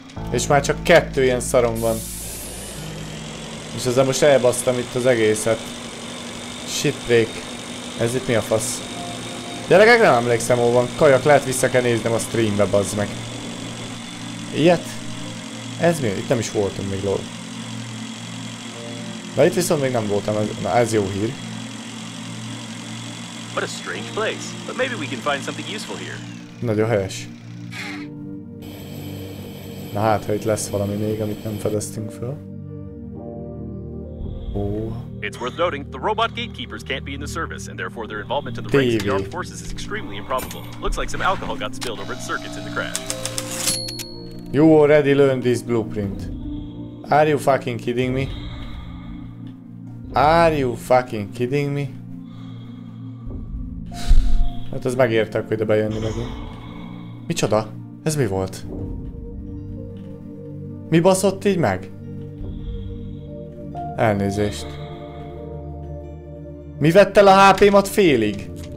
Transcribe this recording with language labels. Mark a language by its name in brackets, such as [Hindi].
[Hungarian] És már csak kettő ilyen szarom van. És ezzel most elbasztam itt az egészet. Shitbreak. Ez itt mi a fasz? Gyerekek, nem emlékszem, hol van. Kajak, lehet vissza kell néznem a streambe, bazd meg. Ilyet? Ez mi? Itt nem is voltunk még, lol. Na itt viszont még nem voltam, na ez jó hír. [English] What a strange place. But maybe we can find something useful here. [Hungarian] Nagyon helyes. Na hát, ha itt lesz valami még, amit nem fedeztünk föl. [English] It's worth noting the robot gatekeepers can't be in the service and therefore their involvement in the ranks of the armed forces is extremely improbable. Looks like some alcohol got spilled over the circuits in the crash. You already learned this blueprint. Are you fucking kidding me? Are you fucking kidding me? [Hungarian] Hát az megértek, hogy ide bejönni megint. Micsoda? Ez mi volt? Mi baszott így meg? Elnézést. Mi vett el a HP-mat félig?